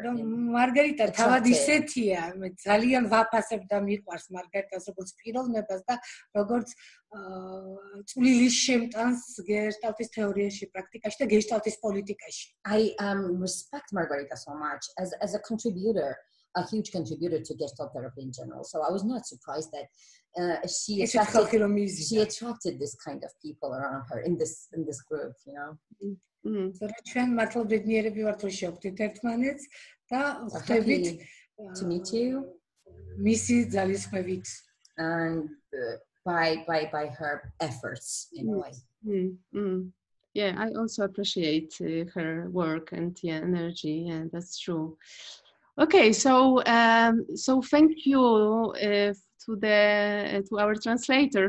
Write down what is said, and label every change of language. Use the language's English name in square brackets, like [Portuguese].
[Georgian] Margarita თავად ისეთია, ძალიან ვაფასებ და მიყვარს მარგარიტას როგორც პიროვნებას და როგორც წვლილის შემტანს გესტალტის თეორიაში, პრაქტიკაში და გესტალტის პოლიტიკაში. [English] I respect Margarita so much as a contributor, a huge contributor to Gestalt therapy in general. So I was not surprised that she attracted this kind of people around her in this group, you know. [Georgian] So ჩვენ მადლობდნიერები ვართ, რომ შევხვდით ერთმანეთს და ხვდებით. [English] To meet you. Missy Zalisquevit. And by her efforts in a way. Yeah, I also appreciate her work and energy, and that's true. Okay, so thank you to our translator.